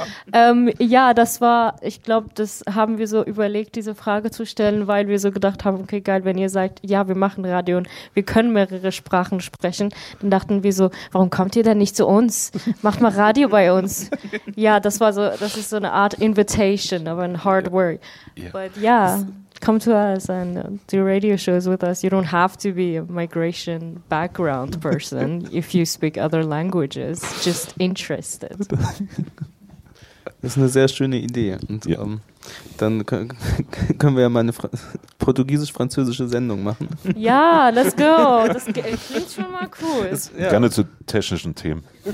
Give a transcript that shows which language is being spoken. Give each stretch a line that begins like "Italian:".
German: Ja, ja, das war, ich glaube, das haben wir so überlegt, diese Frage zu stellen, weil wir so gedacht haben, okay, geil, wenn ihr sagt, ja, wir machen Radio und wir können mehrere Sprachen sprechen, dann dachten wir so, warum kommt ihr denn nicht zu uns? Macht mal Radio bei uns. Ja, das war so, das ist so eine Art Invitation, aber ein
English: hard work. But yeah. Come to us and do radio shows with us. You don't have to be a migration background person if you speak other languages. Just interested.
German: Das ist eine sehr schöne Idee. Und ja. Dann können wir ja mal eine portugiesisch-französische Sendung machen. Ja,
English: let's go.
German: Das klingt schon mal cool. Das, ja. Gerne zu technischen Themen.